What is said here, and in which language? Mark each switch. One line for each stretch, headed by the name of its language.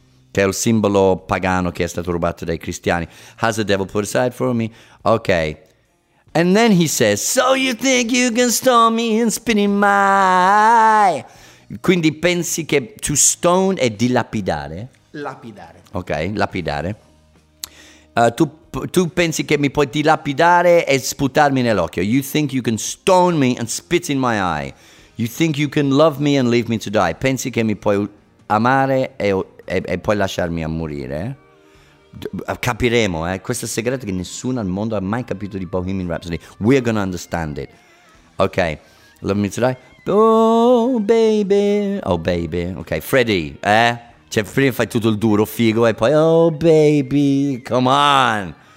Italian: Che è il simbolo pagano che è stato rubato dai cristiani.
English: Has the devil put aside for me? Ok. And then he says, so you think you can stone me and spit in my eye?
Italian: Quindi pensi che
English: to stone
Italian: è dilapidare? Lapidare. Ok, lapidare. Tu pensi che mi puoi dilapidare e sputarmi nell'occhio.
English: You think you can stone me and spit in my eye. You think you can love me and leave me to die.
Italian: Pensi che mi puoi amare e poi lasciarmi a morire. Capiremo, questo segreto che nessuno al mondo ha mai capito di Bohemian Rhapsody.
English: We're gonna understand it. Ok, love me today. Oh baby, oh baby.
Italian: Ok, Freddy, cioè prima fai tutto il duro, figo, e poi
English: oh baby, come on.